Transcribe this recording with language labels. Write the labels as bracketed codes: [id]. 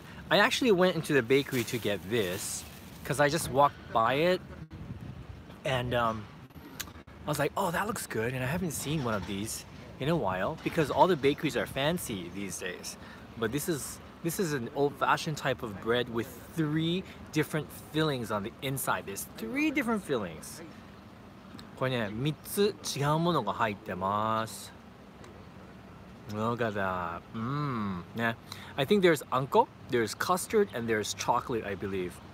[en] I actually went into the bakery to get this because I just walked by it and I was like, oh, that looks good, and I haven't seen one of these in a while because all the bakeries are fancy these days. But this is an old-fashioned type of bread with three different fillings on the inside. There's three different fillings. [ja] これね、三つ違うものが入ってます。 [en] Look at that. Yeah. I think there's anko, there's custard, and there's chocolate, I believe.